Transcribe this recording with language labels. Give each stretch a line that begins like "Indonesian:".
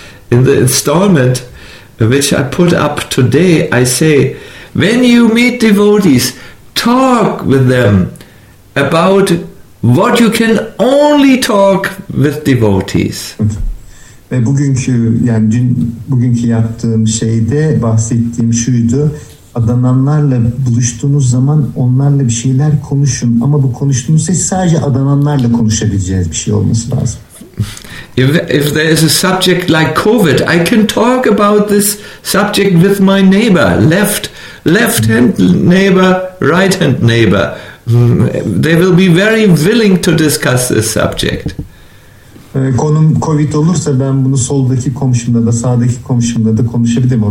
English: In the installment which I put up today, I say, when you meet devotees, talk with them about what you can only talk with devotees.
Turkish: Ve bugünkü, yani dün, bugünkü yaptığım şeyde bahsettiğim şuydu. Adananlarla buluştuğunuz zaman onlarla bir şeyler konuşun. Ama bu konuştuğunuz şey sadece adananlarla konuşabileceğiz bir şey olması lazım.
English: If there is a subject like COVID, I can talk about this subject with my neighbor, left hand neighbor, right hand neighbor. They will be very willing to discuss this subject.
Turkish: Konum COVID olursa ben bunu soldaki komşumla da sağdaki komşumla da konuşabilirim.